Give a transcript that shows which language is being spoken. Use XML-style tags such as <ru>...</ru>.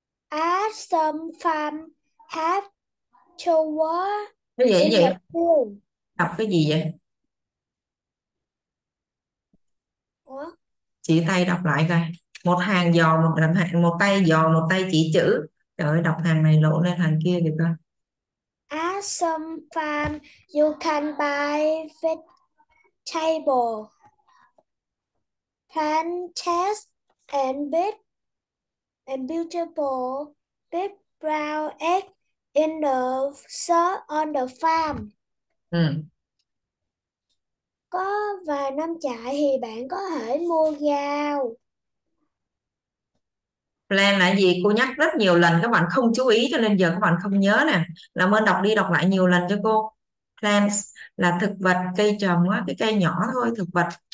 <en>As some farm have to work.</en> <vi>Cái gì vậy? Đọc cái gì vậy?</vi> <en>What?</en> <vi>Chỉ tay đọc lại coi. Một hàng dò một làm hàng, một tay dò một tay chỉ chữ. Trời ơi, đọc hàng này lộn lên hàng kia kìa con.</vi> <en>At some farm you can buy vegetable, plantains and big and beautiful big brown eggs in the shop on the farm.</en> <vi>Có vài năm trại thì bạn có thể mua rau. Plan là gì? Cô nhắc rất nhiều lần các bạn không chú ý cho nên giờ các bạn không nhớ nè. Làm ơn đọc đi đọc lại nhiều lần cho cô. Plants là thực vật, cây trồng á, cái cây nhỏ thôi, thực vật.</vi>